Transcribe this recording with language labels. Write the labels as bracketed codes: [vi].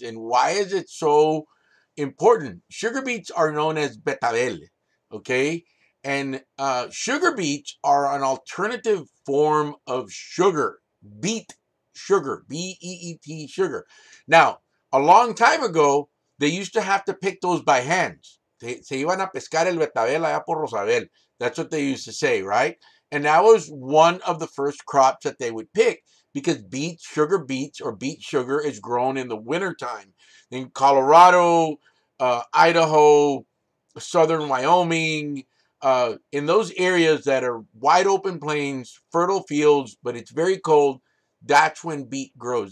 [en] And why is it so important? Sugar beets are known as betabel, okay? And sugar beets are an alternative form of sugar, beet. Sugar, B-E-E-T, sugar. Now, a long time ago, they used to have to pick those by hand. [es] Se iban a pescar el betabel allá por Rosabel. [en] That's what they used to say, right? And that was one of the first crops that they would pick, because beet sugar is grown in the wintertime. In Colorado, Idaho, southern Wyoming, in those areas that are wide open plains, fertile fields, but it's very cold, that's when beet grows.